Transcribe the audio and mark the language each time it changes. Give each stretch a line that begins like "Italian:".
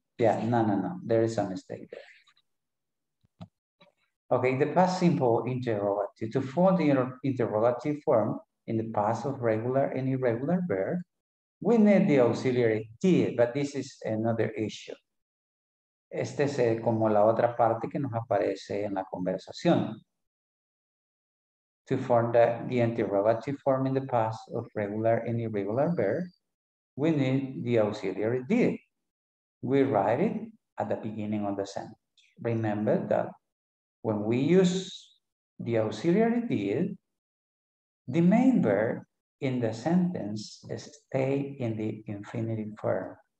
English: Yeah, no. There is a mistake there. Okay, the past simple interrogative. To form the interrogative form in the past of regular and irregular verb, we need the auxiliary did, but this is another issue.
Spanish: Este es como la otra parte que nos aparece en la conversación.
English: To form the interrogative form in the past of regular and irregular verb, we need the auxiliary did. We write it at the beginning of the sentence. Remember that when we use the auxiliary did, the main verb in the sentence stays in the infinitive form.